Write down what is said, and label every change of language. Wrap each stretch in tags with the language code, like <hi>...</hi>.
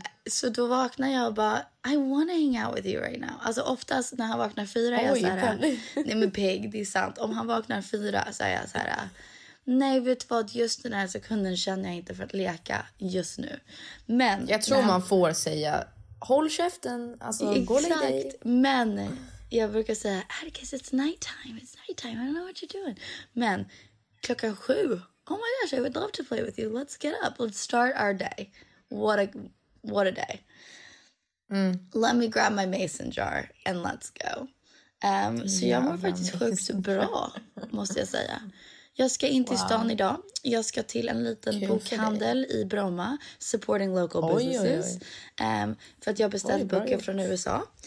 <sv>Så då vaknar jag och bara,</sv> <en>I wanna hang out with you right now.</en> <sv>Alltså oftast när han vaknar 4 är jag såhär, nej men pig, det är sant. Om han vaknar 4 så är jag såhär, nej vet vad, just den här sekunden känner jag inte för att leka just nu. Men jag tror man får säga, håll käften, alltså gå lite. Exakt, men jag brukar säga,</sv> <en>Atticus, it's night time, I don't know what you're doing.</en> <sv>Men klockan 7,</sv> <en>oh my gosh, I would love to play with you, let's get up, let's start our day. What a day. Mm. Let me grab my mason jar and let's go.</en> <sv>Så jag mår faktiskt sjukt bra, måste jag säga. Jag ska in till stan idag. Jag ska till en liten bokhandel i Bromma,</sv> <en>supporting local businesses.</en> <sv>För att jag beställt böcker från USA.</sv>